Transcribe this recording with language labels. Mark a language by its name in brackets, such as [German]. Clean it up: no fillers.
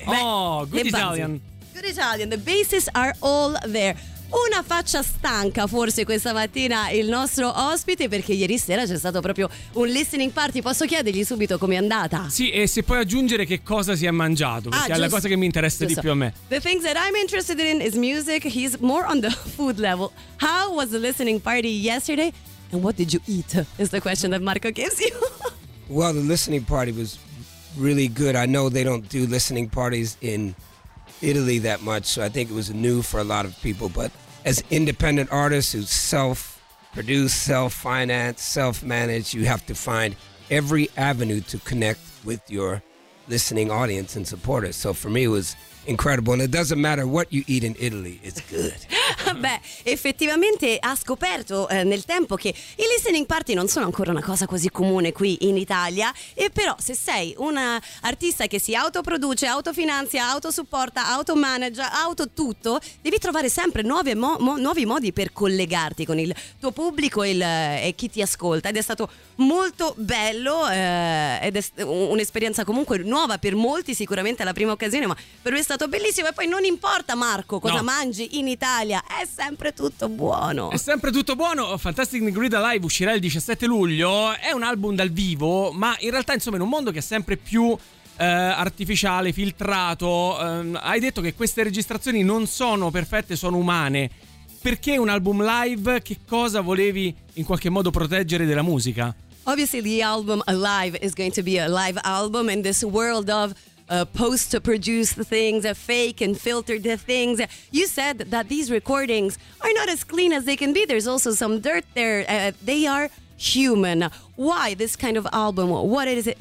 [English] Oh, good Italian. Good Italian, the bases are all there. [Italian] Una faccia stanca forse questa mattina il nostro ospite, perché ieri sera c'è stato proprio un listening party. Posso chiedergli subito com'è andata? Sì, e se puoi aggiungere che cosa si è mangiato, perché è la cosa che mi interessa di più a me. [English] The things that I'm interested in is music, he's more on the food level. How was the listening party yesterday? And what did you eat? Is the question that Marco gives you. Well, the listening party was really good. I know they don't do listening parties in Italy that much, so I think it was new for a lot of people, but as independent artists who self-produce, self-finance, self-manage, you have to find every avenue to connect with your listening audience and supporters. So for me it was incredible, and it doesn't matter what you eat in Italy, it's good. [Italian] Beh, effettivamente ha scoperto nel tempo che i listening party non sono ancora una cosa così comune qui in Italia, e però se sei un artista che si autoproduce, autofinanzia, autosupporta, automanage, auto tutto, devi trovare sempre nuovi modi per collegarti con il tuo pubblico e chi ti ascolta, ed è stato molto bello, ed è un'esperienza comunque nuova per molti, sicuramente la prima occasione, ma per me è stato bellissimo. E poi non importa, Marco, cosa mangi in Italia, è sempre tutto buono. È sempre tutto buono. Fantastic Negrito Live uscirà il 17 luglio. È un album dal vivo, ma in realtà, insomma, in un mondo che è sempre più artificiale, filtrato, hai detto che queste registrazioni non sono perfette, sono umane. Perché un album live? Che cosa volevi in qualche modo proteggere della musica? [English] Obviously the album Alive is going to be a live album in this world of post-produced things, fake and filtered things. You said that these recordings are not as clean as they can be. There's also some dirt there. They are human. Why this kind of album? What is it?